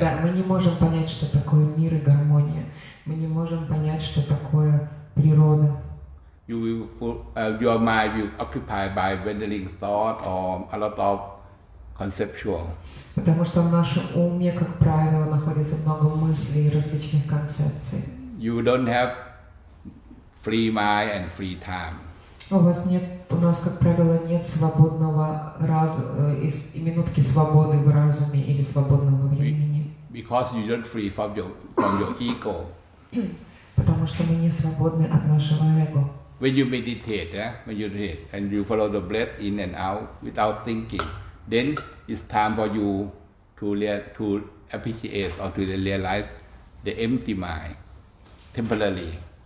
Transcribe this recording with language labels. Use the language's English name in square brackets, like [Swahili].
[Russian] Да, мы не можем понять, что такое мир и гармония. Мы не можем понять, что такое природа. [English] Your mind will occupy by wandering thought or a lot of conceptual. [Russian] Потому что в нашем уме, как правило, находится много мыслей и различных концепций. [English] You don't have free mind and free time. [Russian] У вас нет, у нас, как правило, нет свободного разума и минутки свободы в разуме или свободного времени. [English] Because you don't free from your ego. [Russian] Потому что мы не свободны от нашего эго. [English] When you meditate, and you follow the breath in and out without thinking, then it's time for you to appreciate or to realize the empty mind temporarily.